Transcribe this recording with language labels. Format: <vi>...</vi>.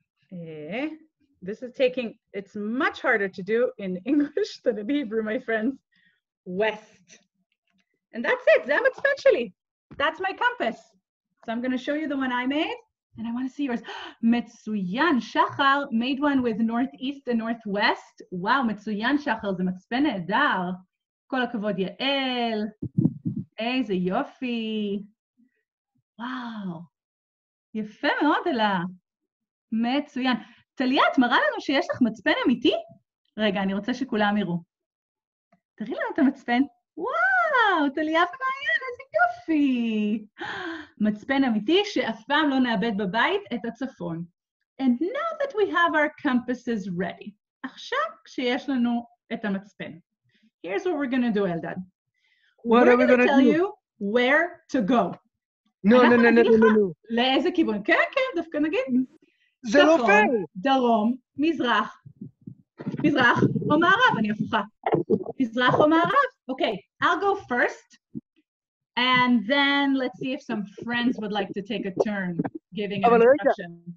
<en>This is taking, it's much harder to do in English than in Hebrew, my friends. West. And that's it. Zamat Specially. That's my compass. So I'm going to show you the one I made, and I want to see yours. Metsuyan Shachar made one with northeast and northwest.</en> <he>Wow, Metsuyan Shachar, זה מצפן נהדר. כל הכבוד יעל. איזה יופי. Wow. יפה מאוד, אלה. מצוין. תליה, את מראה לנו שיש לך מצפן אמיתי? רגע, אני רוצה שכולם יראו. תראי לנו את המצפן. וואו, תליה ומעיין, איזה יופי. מצפן אמיתי שאף פעם לא נאבד בבית את הצפון.</he> <en>And now that we have our compasses ready,</en> <he>עכשיו כשיש לנו את המצפן.</he> <en>Here's what we're going to do, Eldad. What are we going to do? We're going to tell you where to go. No.</en> <he>לאיזה כיוון? כן, כן, דווקא נגיד. זה לא פייר. צפון, דרום, מזרח. מזרח או מערב, אני הפוכה. מזרח או מערב.</he> <en>Okay, I'll go first, and then let's see if some friends would like to take a turn giving an instruction.</en>